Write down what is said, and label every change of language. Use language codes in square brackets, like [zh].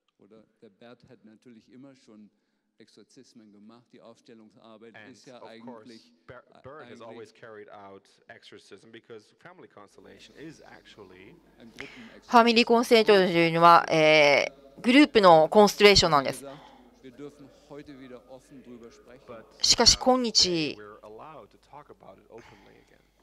[de] Oder der Bert hat natürlich immer schon Exorzismen gemacht. Die Aufstellungsarbeit [en] and [de] ist ja eigentlich. [en] Course, Bert has always carried out exorcism because family constellation is actually. [ja] Family constellation というのは、グループのコンステレーションなんです。 [de] Wir dürfen heute wieder offen drüber sprechen. [ja] しかし今日。 [en] We're allowed to talk about it openly again.